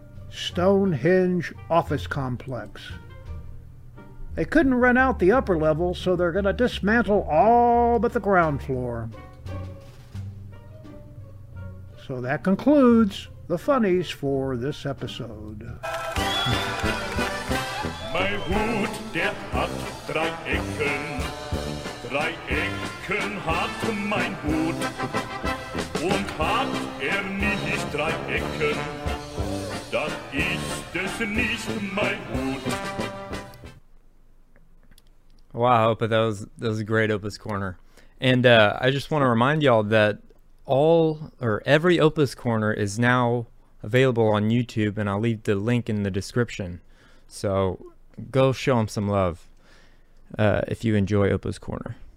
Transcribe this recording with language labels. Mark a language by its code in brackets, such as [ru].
[en] Stonehenge office complex. They couldn't rent out the upper level, so they're gonna dismantle all but the ground floor. So that concludes the funnies for this episode. [de] My hoot, der hat drei Ecken. Drei Ecken hat mein Hut. Und hat nicht drei Ecken, dann ist es nicht mein Hut. [en] Wow, Opa, that was a great Opus Corner. And I just want to remind y'all that every Opus Corner is now available on YouTube, and I'll leave the link in the description. So go show them some love if you enjoy Opus Corner.